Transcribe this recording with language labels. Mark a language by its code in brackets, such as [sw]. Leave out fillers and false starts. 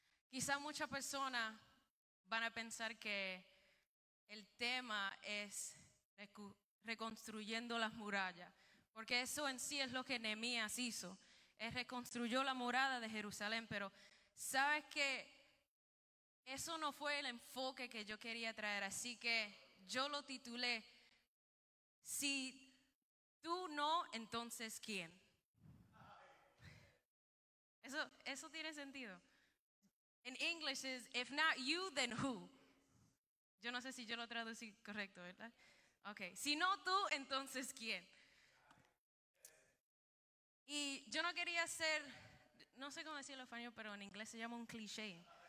[es] Quizá muchas personas van a pensar que el tema es reconstruyendo las murallas, porque eso en sí es lo que Nehemías hizo, él reconstruyó la morada de Jerusalén, pero sabes que eso no fue el enfoque que yo quería traer, así que yo lo titulé, si tú no, entonces ¿quién? Eso tiene sentido. [en] In English is, if not you, then who? [es] Yo no sé si yo lo traducí correcto, ¿verdad? Okay, si no tú, entonces ¿quién? Y yo no quería ser, no sé cómo decirlo en español, pero en inglés se llama un cliché.